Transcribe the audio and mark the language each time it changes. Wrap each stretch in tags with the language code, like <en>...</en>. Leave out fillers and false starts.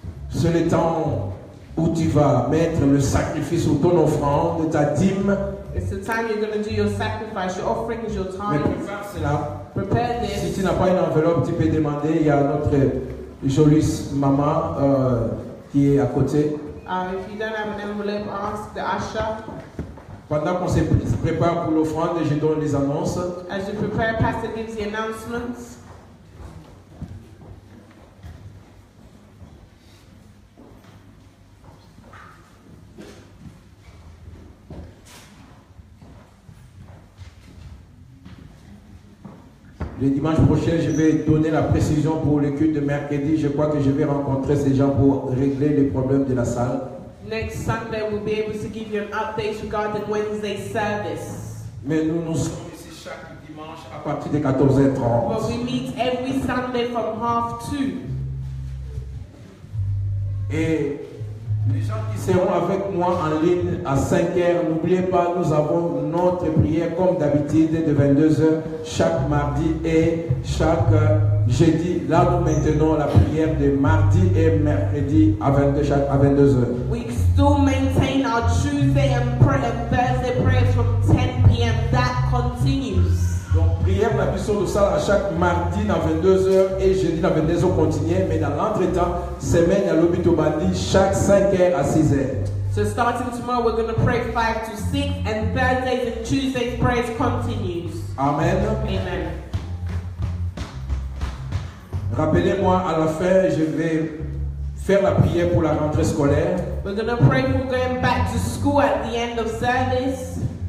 <fr>C'est le temps où tu vas mettre le sacrifice ou ton offrande, ta dîme.</fr> <en>It's the time you're going to do your sacrifice. Your offering is your time.</en> <fr>Mais prépare cela.</fr> <en>Prepare this.</en> <fr>Si tu n'as pas une enveloppe, tu peux demander. Il y a notre jolie maman qui est à côté.</fr> <en>If you don't have an envelope, ask the Asha.</en> <fr>Pendant qu'on se prépare pour l'offrande, je donne les annonces.</fr> <en>As you prepare, Pastor gives the announcements.</en> <fr>Le dimanche prochain, je vais donner la précision pour le culte de mercredi. Je crois que je vais rencontrer ces gens pour régler les problèmes de la salle.</fr> <en>Next Sunday, we'll be able to give you an update regarding Wednesday service.</en> <fr>Mais nous sommes ici chaque dimanche à partir de 14h30.</fr> <en>But we meet every Sunday from 1:30.</en> <fr>Et les gens qui seront avec moi en ligne à 5h, n'oubliez pas, nous avons notre prière comme d'habitude de 22h chaque mardi et chaque jeudi. Là, nous maintenons la prière de mardi et mercredi à 22h.</fr> <en>We still maintain our Tuesday and Thursday prayers from 10 p.m. That continues.</en> <fr>Donc, prière la mission de salle à chaque mardi à 22h et jeudi à 22h continue, mais dans l'entretemps, semaine à l'hôpital Bandi chaque 5h à 6h.</fr> <en>So, starting tomorrow, we're going to pray 5 to 6 and Thursdays and Tuesdays prayers continues. Amen. Amen.</en> <fr>Rappelez-moi à la fin, je vais faire la prière pour la rentrée scolaire.</fr> <en>We're going to pray for going back to school at the end of service.</en>